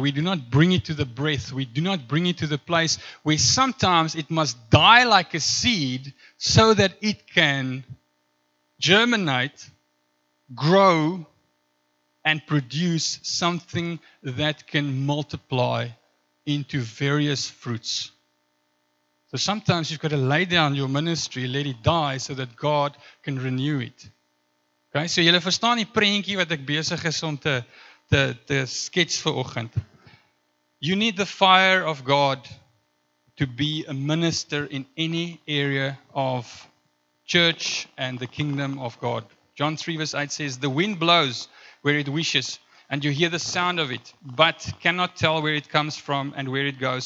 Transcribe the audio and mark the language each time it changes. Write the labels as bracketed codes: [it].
[en] We do not bring it to the breath. We do not bring it to the place where sometimes it must die like a seed so that it can germinate, grow, and produce something that can multiply into various fruits. So sometimes you've got to lay down your ministry, let it die, so that God can renew it. [af] Okay, so jy verstaan die prentjie wat ek besig is om te skets vanoggend. [en] You need the fire of God to be a minister in any area of church and the kingdom of God. John 3 verse 8 says, the wind blows where it wishes, and you hear the sound of it, but cannot tell where it comes from and where it goes.